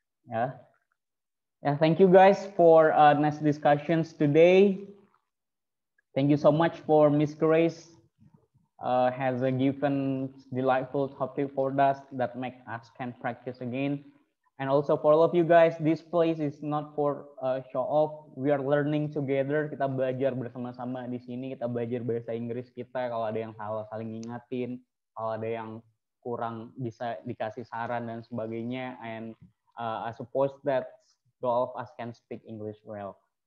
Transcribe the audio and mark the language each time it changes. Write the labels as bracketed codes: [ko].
[en] Yeah. Yeah. Thank you guys for nice discussions today. Thank you so much for Miss Grace. Has a given delightful topic for us that make us can practice again. And also for all of you guys, this place is not for show off. We are learning together. [id] Kita belajar bersama-sama di sini. Kita belajar bahasa Inggris kita. Kalau ada yang salah, saling ngingatin. Kalau ada yang kurang, bisa dikasih saran dan sebagainya. [en] And I suppose that all of us can speak English well.